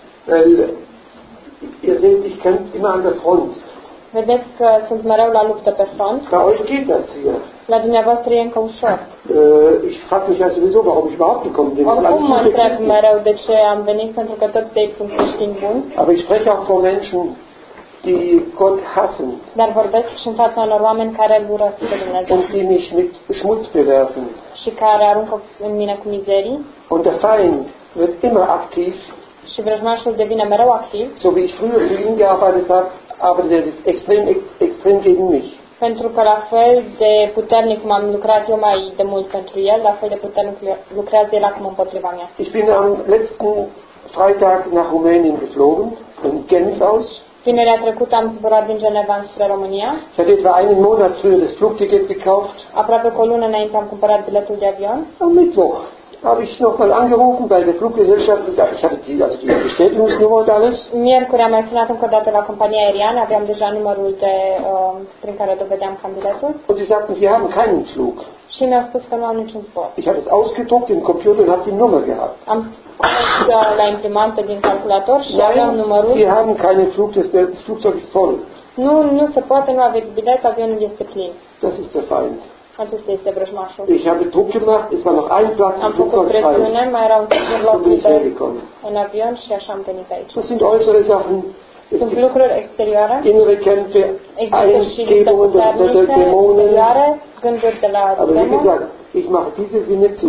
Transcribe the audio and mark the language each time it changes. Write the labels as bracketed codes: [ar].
[de] Weil ihr seht, ich kämpfe immer an der Front. [ro] Vedeți că sunt mereu la luptă pe front. [de] Bei euch geht das hier. [ro] La dumneavoastră e încă ușor. [de] Ich frage mich ja sowieso, warum ich überhaupt gekommen bin. [ro] Oricum mă întreb mereu de ce am venit, pentru că tot ei sunt creștini buni. [de] Aber ich spreche auch vor Menschen, die Gott hassen. [ro] Dar vorbesc și în fața unor oameni care îl urăsc pe Dumnezeu. [de] Und die mich mit Schmutz bewerfen. [ro] Și care aruncă în mine cu mizerii. [de] Und der Feind wird immer aktiv. [ro] Și vrăjmașul devine mereu activ. [de] So wie ich früher für ihn gearbeitet habe, aber der ist extrem gegen mich. [ro] Pentru că la fel de puternic cum am lucrat eu mai de mult pentru el, la fel de puternic lucrează el acum împotriva mea. [de] Ich bin am letzten Freitag nach Rumänien geflogen, in Genf aus. [ro] Vinerea trecută am zburat din Geneva spre România. [de] Ich hatte etwa einen Monat früher das Flugticket gekauft. [ro] Aproape o lună înainte am cumpărat biletul de avion. [de] Am Mittwoch habe ich noch mal angerufen bei der Fluggesellschaft, ich hatte die Bestätigungsnummer und alles. [ro] Miercuri am mai sunat încă o dată la compania aeriană, aveam deja numărul de prin care dovedeam candidatul. [de] Und sie sagten, sie haben keinen Flug. [ro] Și mi-au spus că nu au niciun zbor. [de] Ich habe es ausgedruckt im Computer und habe die Nummer gehabt. [ro] Am scos la imprimantă din calculator și aveam numărul. [de] Sie haben keinen Flug, das Flugzeug ist voll. [ro] Nu se poate, nu aveți bilet, avionul este plin. [de] Das ist der Feind. [ro] Acesta este vrăjmașul. [de] Ich habe Druck gemacht, es war noch ein Platz am im Flugzeug. [ro] Am făcut presiune, mai erau un loc în avion și așa am venit aici. [de] Das sind äußere Sachen. [ro] Sunt lucruri exterioare. [de] Innere Kämpfe, Eingebungen der Dämonen. [ro] Gânduri de la [de] Aber wie gesagt, Ich mache diese Sinne zu.